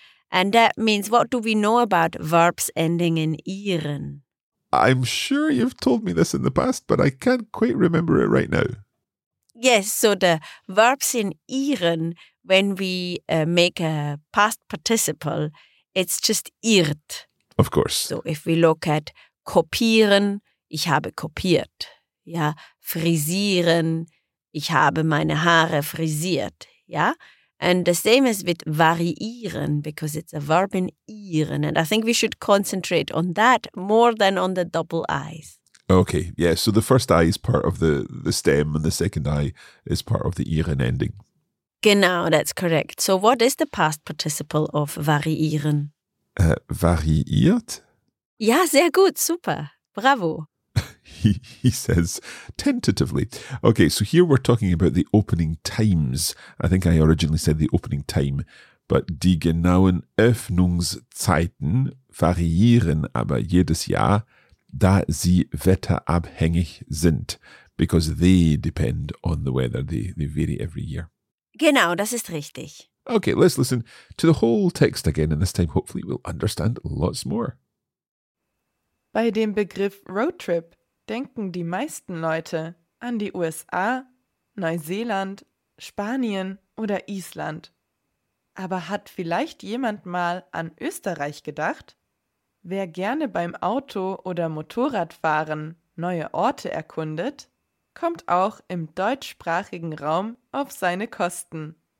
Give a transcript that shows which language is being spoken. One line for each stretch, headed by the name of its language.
English: And that means, what do we know about verbs ending in -iren? I'm sure you've told me this in the past, but I can't quite remember it right now. Yes, so the verbs in -iren, when we make a past participle, it's just -irt. Of course. So if we look at kopieren,
German: ich habe kopiert. Ja, frisieren, ich habe meine Haare frisiert.
English: Ja, and the same is with variieren, because it's a verb in -iren. And I think we should concentrate on that more than on the double I's. Okay, yeah, so the first I is part of the stem and the second I is part of the -iren ending. Genau, that's correct. So what is the past participle of variieren?
German: Variiert? Ja, sehr gut, super, bravo.
English: He says tentatively. Okay, so here we're talking about the opening times. I think I originally said the opening time, but
German: die genauen Öffnungszeiten variieren aber jedes Jahr, da sie wetterabhängig sind,
English: because they depend on the weather. They vary every year.
German: Genau, das ist richtig.
English: Okay, let's listen to the whole text again, and this time hopefully we'll understand lots more.
German: Bei dem Begriff Roadtrip denken die meisten Leute an die USA, Neuseeland, Spanien oder Island. Aber hat vielleicht jemand mal an Österreich gedacht? Wer gerne beim Auto- oder Motorradfahren neue Orte erkundet, kommt auch im deutschsprachigen Raum auf seine Kosten.